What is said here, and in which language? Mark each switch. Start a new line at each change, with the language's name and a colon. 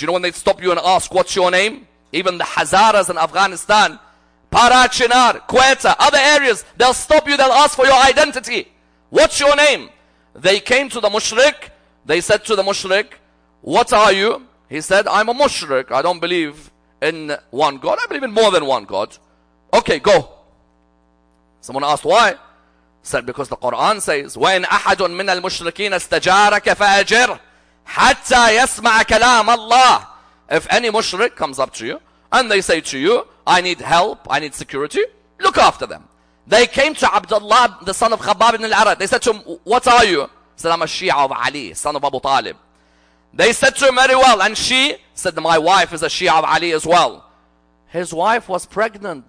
English: You know when they stop you and ask, what's your name? Even the Hazaras in Afghanistan, Parachinar, Quetta, other areas, they'll stop you, they'll ask for your identity. What's your name? They came to the mushrik. They said to the mushrik, what are you? He said, I'm a mushrik. I don't believe in one God. I believe in more than one God. Okay, go. Someone asked why. Said, because the Quran says,
Arabic: وَإِنْ أَحَدٌ مِنَ الْمُشْرِكِينَ اسْتَجَارَكَ فَأَجِرْ حَتَّى يَسْمَعَ كَلَامَ اللَّهِ.
English: If any mushrik comes up to you and they say to you, I need help, I need security, look after them. They came to Abdullah, the son of Khabbab ibn al-Arad. They said to him, what are you? He said, I'm a Shia of Ali, son of Abu Talib. They said to him, very well. And she said, my wife is a Shia of Ali as well. His wife was pregnant.